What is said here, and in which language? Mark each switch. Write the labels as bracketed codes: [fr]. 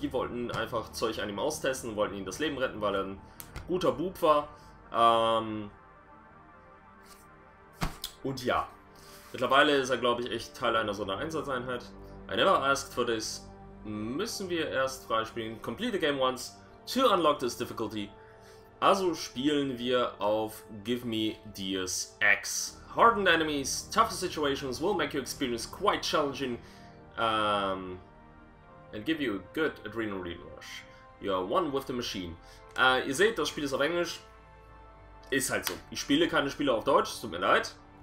[de] Die wollten einfach Zeug an ihm austesten und wollten ihm das Leben retten, weil er ein guter Bub war. Und ja, mittlerweile ist er, glaube ich, echt Teil einer Sondereinsatzeinheit. [en] I never asked for this. [de] Müssen wir erst freispielen. [en] Complete the game once to unlock this difficulty. [de] Also spielen wir auf Give Me Deus Ex. [en] Hardened enemies, tougher situations will make your experience quite challenging and give you a good adrenaline rush. You are one with the machine. [de] Ihr seht, das Spiel ist auf Englisch. Ist halt so. Ich spiele keine Spiele auf Deutsch, tut mir leid.